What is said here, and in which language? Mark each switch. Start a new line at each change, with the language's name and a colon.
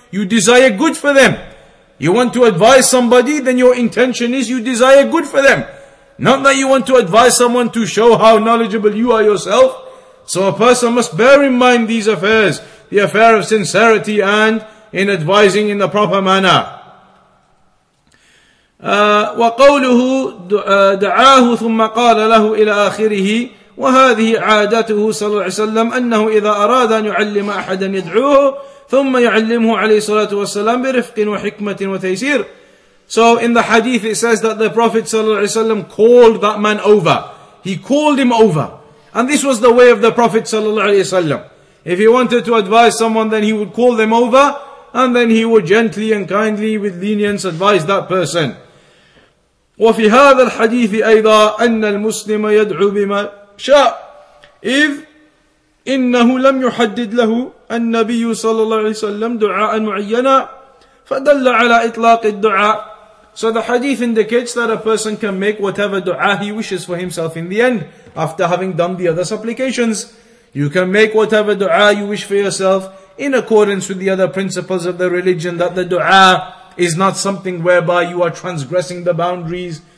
English: You desire good for them. You want to advise somebody, then your intention is you desire good for them. Not that you want to advise someone to show how knowledgeable you are yourself. So a person must bear in mind these affairs, the affair of sincerity and in advising in the proper manner.
Arabic: وقوله دعاه ثم قال له إلى آخره وهذه عادته صلى الله عليه وسلم أنه إذا أراد أن يعلم أحدا يدعوه ثم يعلمه عليه الصلاة والسلام برفق وحكمة وتيسير.
English: So in the hadith it says that the Prophet صلى الله عليه وسلم called that man over. He called him over. And this was the way of the Prophet صلى الله عليه وسلم. If he wanted to advise someone, then he would call them over, and then he would gently and kindly with lenience advise that person.
Arabic: وفي هذا الحديث أيضا أن المسلم يدعو بما شاء إذ إنه لم يحدد له النبي صلى الله عليه وسلم دعاء معينا فدل على إطلاق الدعاء.
English: So the hadith indicates that a person can make whatever dua he wishes for himself in the end, after having done the other supplications. You can make whatever dua you wish for yourself in accordance with the other principles of the religion, that the dua is not something whereby you are transgressing the boundaries.